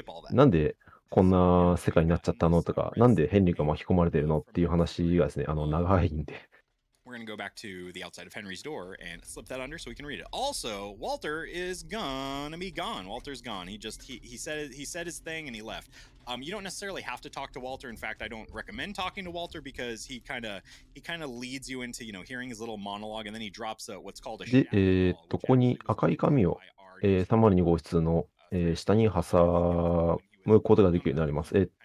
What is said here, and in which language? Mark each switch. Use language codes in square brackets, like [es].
[ja] なんでこんな世界になっちゃったのとか、なんでヘンリーが巻き込まれているのっていう話がですね、長いんで。 [en] We're gonna go back to the outside of Henry's door and slip that under so we can read it. Also, Walter is gonna be gone. Walter's gone. He said his thing and he left. You don't necessarily have to talk to Walter. In fact, I don't recommend talking to Walter because he kind of leads you into, you know, hearing his little monologue and then he drops what's called a shadow. [ja] で、ここに赤い紙を、302号室の、下に挟むことができるようになります。